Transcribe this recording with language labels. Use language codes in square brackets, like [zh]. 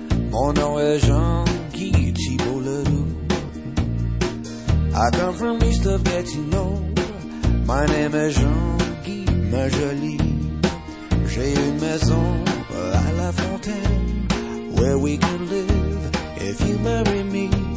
[fr] Mon nom est Jean-Guy Thibault-Leroux. [en] I come from east of Gatineau. My name is Jean-Guy, [fr] ma jolie. J'ai une maison à La Fontaine, [en] where we can live if you marry me.